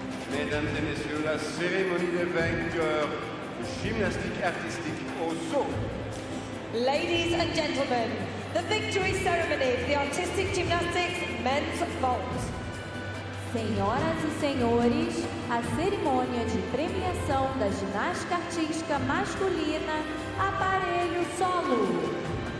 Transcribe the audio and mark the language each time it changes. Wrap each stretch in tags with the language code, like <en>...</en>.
<fr>Mesdames et Messieurs, la cérémonie des vainqueurs de gymnastique artistique au saut.</fr> <en>Ladies and gentlemen, the victory ceremony for the artistic gymnastics men's vault.</en> <pt>Senhoras e senhores, a cerimônia de premiação da ginástica artística masculina, aparelho solo.</pt>